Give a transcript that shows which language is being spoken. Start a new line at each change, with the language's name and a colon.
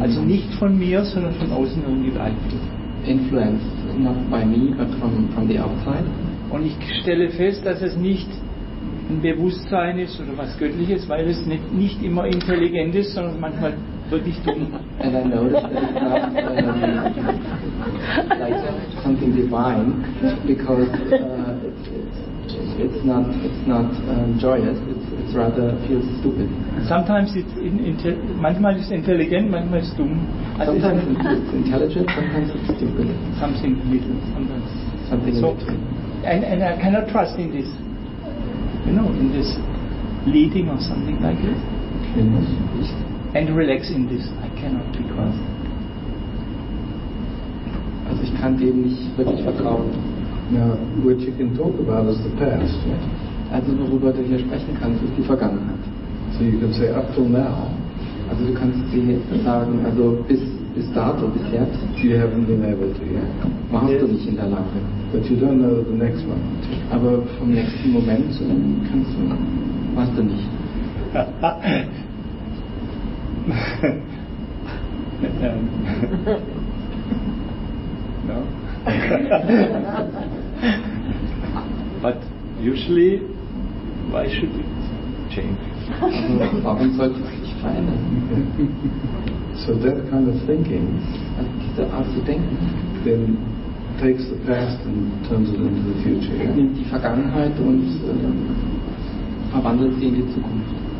German: also nicht von mir, sondern von außen irgendwie beeinflusst.
English: Influenced not by me but from the outside.
German: Und ich stelle fest, dass es nicht ein Bewusstsein ist oder was Göttliches, weil es nicht immer intelligent ist, sondern manchmal wirklich dumm.
English: And I noticed that it's not like something divine, because it's not joyous. It's rather feels stupid. Sometimes it's
German: manchmal ist intelligent, manchmal ist dumm.
English: Also sometimes it's intelligent, sometimes it's stupid. Something little, sometimes something so, in between. And I cannot trust in this, you know, in this leading or something like this. And relax in this. I cannot, because.
German: Also ich kann dem nicht wirklich vertrauen.
English: Now, what you can talk about is the past.
German: Also worüber du hier sprechen kannst, ist die Vergangenheit.
English: So you can say up till now.
German: Also du kannst sagen, also bis dato, bis jetzt.
English: You haven't been able to, yeah.
German: Warst du nicht in der Lage?
English: But you don't know the next one.
German: Aber vom nächsten Moment kannst du, weißt du nicht.
English: No. But usually, why should it change?
German: Warum sollte es sich verändern?
English: So that kind of thinking.
German: Also diese Art zu denken.
English: Then takes the past and turns it into the future. Yeah?
German: Nimmt die Vergangenheit und verwandelt sie in die Zukunft.